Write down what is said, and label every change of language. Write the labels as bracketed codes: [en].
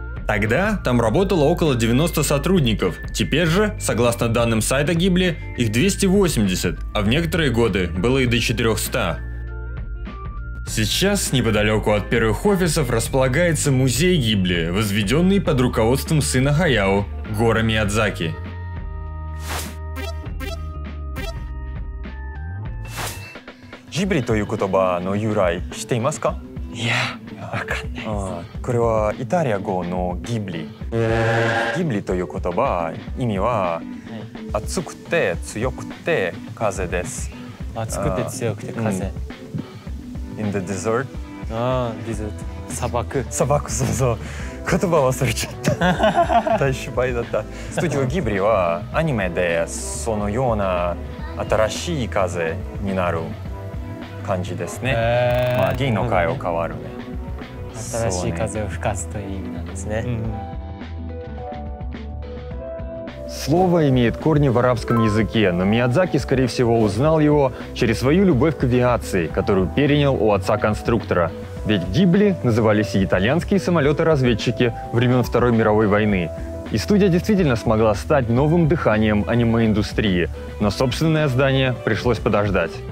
[ru] Тогда там работало около 90 сотрудников, теперь же, согласно данным сайта Гибли, их 280, а в некоторые годы было и до 400. Сейчас, неподалеку от первых офисов, располагается музей Гибли, возведенный под руководством сына Хаяо, Гора Миядзаки. [ja] Гибли という言葉の由来知っていますか？いや、わかんないです。これはイタリア語のギブリ。ギブリという言葉、意味は暑くて強くて風です。暑くて強くて風。 [en] In the desert. [ja] ああ、デザート。砂漠。砂漠、そうそう。言葉忘れちゃった。大失敗だった。スタジオギブリはアニメでそのような新しい風になる。感じですね。まあ銀の海を変わるね。新しい風を吹かすという意味なんですね。 [ru] Слово имеет корни в арабском языке, но Миядзаки, скорее всего, узнал его через свою любовь к авиации, которую перенял у отца-конструктора. Ведь «Гибли» назывались и итальянские самолеты-разведчики времен Второй мировой войны. И студия действительно смогла стать новым дыханием аниме-индустрии, но собственное здание пришлось подождать.